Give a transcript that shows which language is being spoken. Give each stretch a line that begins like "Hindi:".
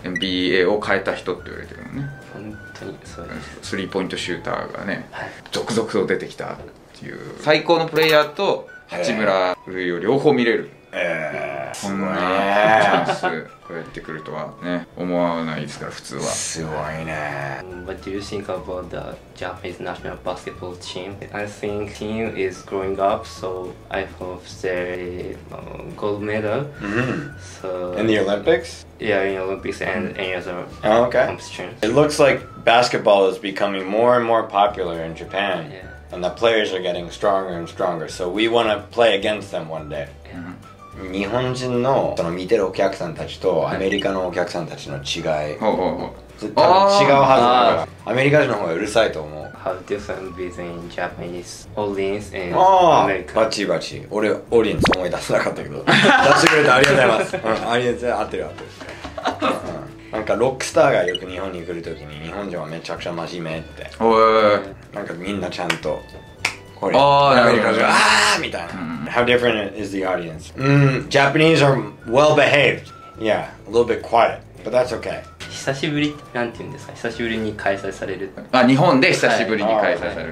Japanese: NBA を変えた人って言われてるのね。本当にそうです。スリーポイントシューターがね、続々と出てきたっていう。最高のプレイヤーと八村塁を両方見れる。こんなチャンスがやってくるとはね、思わないですから、普通は。すごいね。
English: What do you think about the Japanese national basketball team? I think the team is growing up, so I hope they gold medal. So, in the Olympics? Yeah, in the Olympics and any other competition. It looks like basketball is becoming more and more popular in Japan. And the players are getting stronger and stronger, so we want to play against them one day. Yeah.
Japanese: 日本人のその見てるお客さんたちとアメリカのお客さんたちの違い、はい、多分違うはずだから、アメリカ人の方がうるさいと思う。
English: How different between Japanese audience and America?
Japanese: バチバチ、俺オーディエンス思い出せなかったけど出してくれてありがとうございます。ありがとうございます。合ってる合ってる。なんかロックスターがよく日本に来るときに日本人はめちゃくちゃ真面目って、なんかみんなちゃんと
English: How different is the audience? Japanese are well behaved. Yeah, a little bit quiet, but that's okay.
Japanese: 質久しぶり、なんて言うんですか、久しぶりに開催される、あ、日本で久しぶりに開催される、